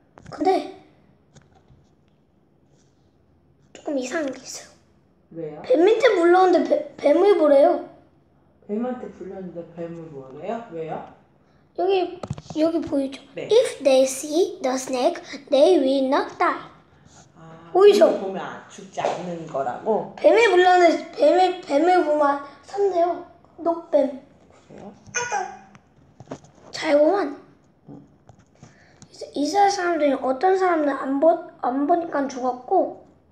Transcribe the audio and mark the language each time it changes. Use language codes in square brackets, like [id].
[ko] 근데 조금 이상한 게 있어요. 왜요? 뱀한테 물러오는데 뱀을 보래요. 뱀한테 불렀는데 뱀을 보래요? 왜요? 여기 보이죠? 네. [en] If they see the snake, they will not die. [ko] 보이죠? 보면 죽지 않는 거라고? 뱀에 물러는 뱀을 보면 산대요. 녹뱀. 그래요? 잘 보면 이스라엘 사람들이 어떤 사람은 안 보니까 죽었고